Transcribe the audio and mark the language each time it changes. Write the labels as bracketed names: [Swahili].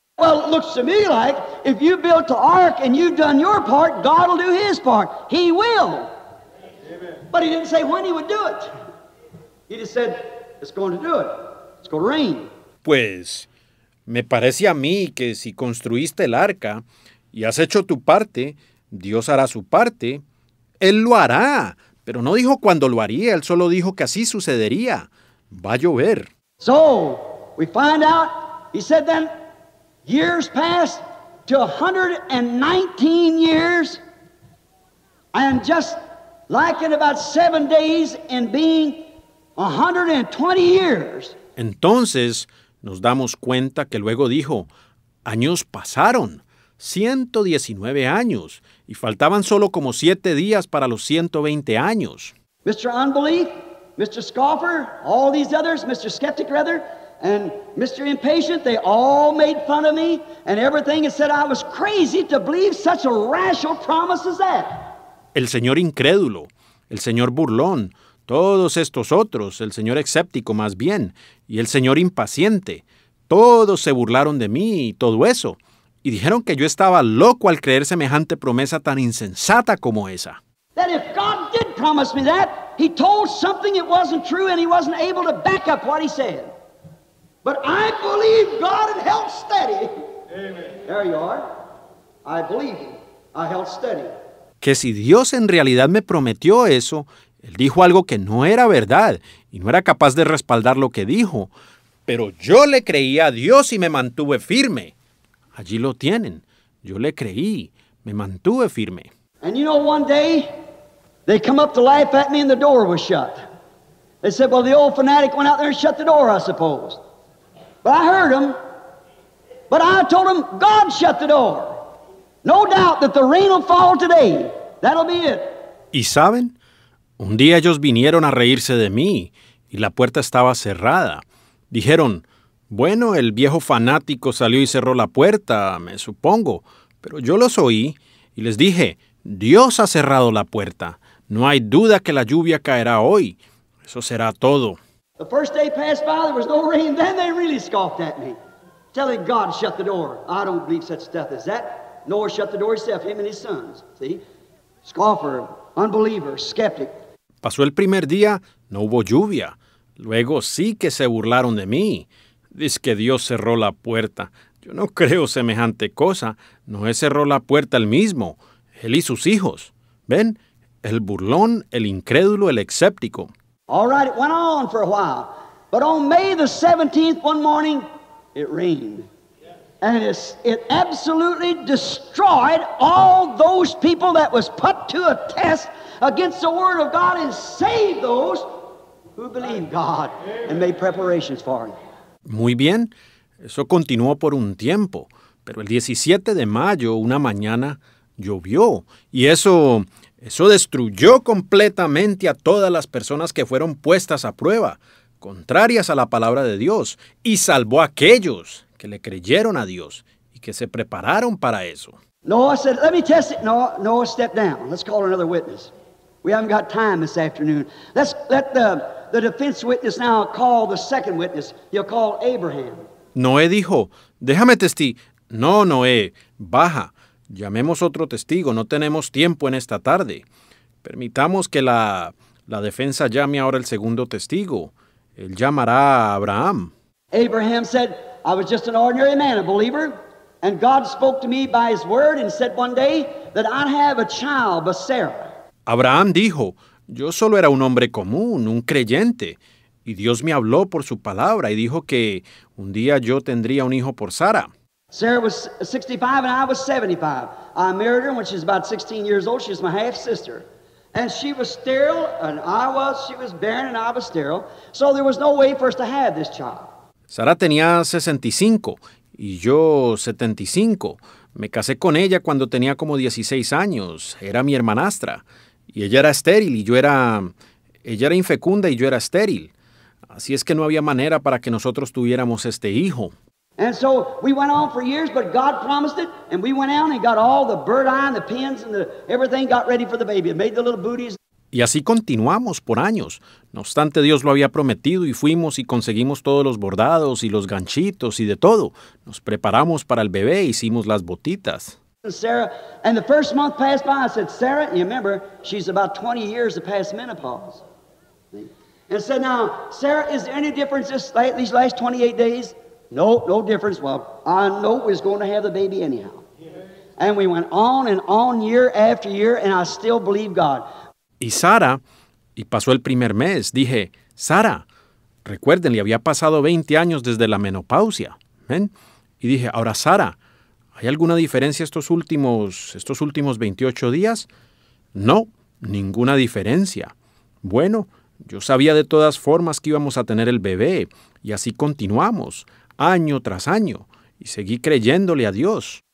[English] Well, it looks to me like if you built the ark and you've done your part, God will do his part. He will. Amen. But he didn't say when he would do it. He just said, it's going to do it. It's going to rain. [Spanish] Pues, me parece a mí que si construiste el arca y has hecho tu parte, Dios hará su parte. Él lo hará. Pero no dijo cuándo lo haría. Él solo dijo que así sucedería. Va a llover. [English] So, we find out, he said then, years passed to 119 years, and just like in about 7 days in being 120 years. [Spanish] Entonces, nos damos cuenta que luego dijo, años pasaron, 119 años, y faltaban solo como 7 días para los 120 años. [English] Mr. Unbelief, Mr. Scoffer, all these others, Mr. Skeptic rather, and Mr. Impatient, they all made fun of me and everything and said I was crazy to believe such a rash promise as that. [Spanish] El señor incrédulo, el señor burlón, todos estos otros, el señor escéptico más bien, y el señor impaciente, todos se burlaron de mí y todo eso, y dijeron que yo estaba loco al creer semejante promesa tan insensata como esa. [English] That if God did promise me that, he told something it wasn't true and he wasn't able to back up what he said. But I believe God and held steady. Amen. There you are. I believe him. I held steady. [Spanish] Que si Dios en realidad me prometió eso, él dijo algo que no era verdad y no era capaz de respaldar lo que dijo. Pero yo le creí a Dios y me mantuve firme. Allí lo tienen. Yo le creí. Me mantuve firme. [English] And you know, one day, they come up to laugh at me and the door was shut. They said, well, the old fanatic went out there and shut the door, I suppose. But I heard him, but I told him, God shut the door. No doubt that the rain will fall today. That'll be it. [Spanish] ¿Y saben? Un día ellos vinieron a reírse de mí y la puerta estaba cerrada. Dijeron, bueno, el viejo fanático salió y cerró la puerta, me supongo. Pero yo los oí y les dije, Dios ha cerrado la puerta. No hay duda que la lluvia caerá hoy. Eso será todo. [English] The first day passed by, there was no rain. Then they really scoffed at me, telling God to shut the door. I don't believe such stuff as that. Noah shut the door himself, him and his sons. See? Scoffer, unbeliever, skeptic. [Spanish] Pasó el primer día, no hubo lluvia. Luego sí que se burlaron de mí. Dice que Dios cerró la puerta. Yo no creo semejante cosa. Noé cerró la puerta él mismo, él y sus hijos. ¿Ven? El burlón, el incrédulo, el escéptico. [English] All right, it went on for a while. But on May the 17th, one morning, it rained. And it absolutely destroyed all those people that was put to a test against the Word of God and saved those who believed God and made preparations for it. [Spanish] Muy bien. Eso continuó por un tiempo. Pero el 17 de mayo, una mañana, llovió. Y eso destruyó completamente a todas las personas que fueron puestas a prueba, contrarias a la palabra de Dios, y salvó a aquellos que le creyeron a Dios y que se prepararon para eso. [English] Noah said, let me test it. Noah, step down. Let's call another witness. We haven't got time this afternoon. Let's let the defense witness now call the second witness. He'll call Abraham. [Spanish] Noé dijo, déjame No, Noé, baja. Llamemos otro testigo. No tenemos tiempo en esta tarde. Permitamos que la defensa llame ahora el segundo testigo. Él llamará a Abraham. [English] Abraham said, I was just an ordinary man, a believer. And God spoke to me by his word and said one day that I'd have a child by Sarah. [Spanish] Abraham dijo, yo solo era un hombre común, un creyente. Y Dios me habló por su palabra y dijo que un día yo tendría un hijo por Sara. [English] Sarah was 65 and I was 75. I married her when she was about 16 years old. She's my half-sister. And she was sterile and she was barren and I was sterile. So there was no way for us to have this child. [Spanish] Sara tenía 65 y yo 75. Me casé con ella cuando tenía como 16 años. Era mi hermanastra. Y ella era estéril y yo era... Ella era infecunda y yo era estéril. Así es que no había manera para que nosotros tuviéramos este hijo. [English] And so we went on for years, but God promised it, and we went out and got all the bird eye and the pins and the everything got ready for the baby. It made the little booties. [Spanish] Y así continuamos por años. No obstante, Dios lo había prometido y fuimos y conseguimos todos los bordados y los ganchitos y de todo. Nos preparamos para el bebé, hicimos las botitas. [English] Sarah, and the first month passed by, I said, Sarah, you remember, she's about 20 years past menopause. And said, now, Sarah, is there any difference these last 28 days? No, no difference. Well, I know we're going to have the baby anyhow. And we went on and on year after year, and I still believe God. [Spanish] Y Sara, y pasó el primer mes, dije, Sara, recuerden, le había pasado 20 años desde la menopausia. ¿Ven? Y dije, ahora Sara, ¿hay alguna diferencia estos últimos 28 días? No, ninguna diferencia. Bueno, yo sabía de todas formas que íbamos a tener el bebé, y así continuamos, año tras año, y seguí creyéndole a Dios.